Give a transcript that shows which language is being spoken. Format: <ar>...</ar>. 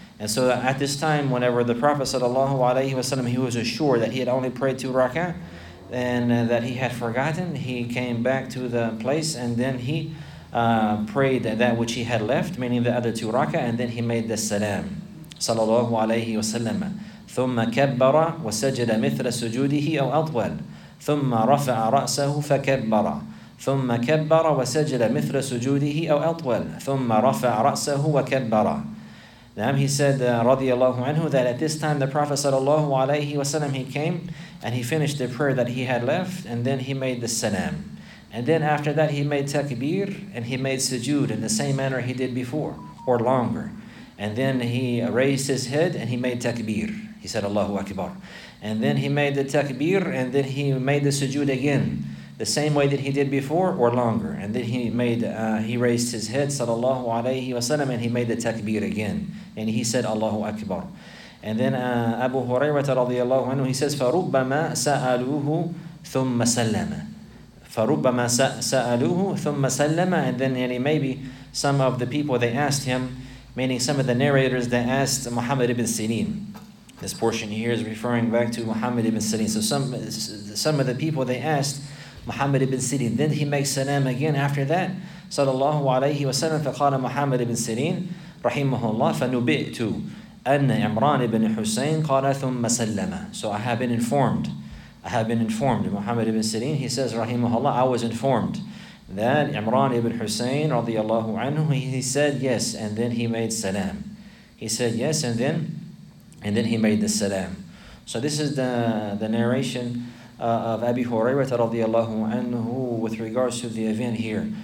<en>And so at this time, whenever the Prophet sallallahu alayhi wasallam, he was assured that he had only prayed 2 rak'ah and that he had forgotten, he came back to the place and then he prayed that which he had left, meaning the other 2 rak'ah, and then he made the salam sallallahu alayhi wasallam.</en> <ar>ثم كبر وسجد مثل سجوده أو أطول ثم رفع رأسه فكبر ثم كبر وسجد مثل سجوده أو أطول ثم رفع رأسه وكبر.</ar> <en>Now he said رضي الله عنه that at this time the Prophet صلى الله عليه وسلم he came and he finished the prayer that he had left and then he made the salam and then after that he made takbir and he made sujood in the same manner he did before or longer and then he raised his head and he made takbir. He said, Allahu Akbar. And then he made the takbir, and then he made the sujood again, the same way that he did before, or longer. And then he made, he raised his head, sallallahu alayhi wa sallam, and he made the takbir again. And he said, Allahu Akbar. And then Abu Hurairah radiallahu anhu, he says,</en> <ar>فَرُبَّمَا سَأَلُوهُ ثُمَّ سَلَّمَ فَرُبَّمَا سَأَلُوهُ ثُمَّ سَلَّمَ.</ar> <en>And then maybe some of the people, they asked him, meaning some of the narrators, they asked Muhammad ibn Sinin. This portion here is referring back to Muhammad ibn Sirin. So some of the people, they asked Muhammad ibn Sirin. Then he makes salam again after that. Sallallahu alayhi wa sallam.</en> <ar>فَقَالَ Muhammad ibn Sirin رَحِمَهُ اللَّهُ فَنُبِئْتُ أَنَّ عِمْرَانِ ibn Hussein قَالَ ثُمَّ سَلَّمَ.</ar> <en>So I have been informed. I have been informed. Muhammad ibn Sirin, he says, رَحِمَهُ اللَّهُ, I was informed that عِمْرَانِ ibn Hussein radiallahu anhu, he said yes, and then he made salam. He said yes, and then... And then he made the salam. So this is the narration of Abi Hurairah radiallahu anhu with regards to the event here.</en>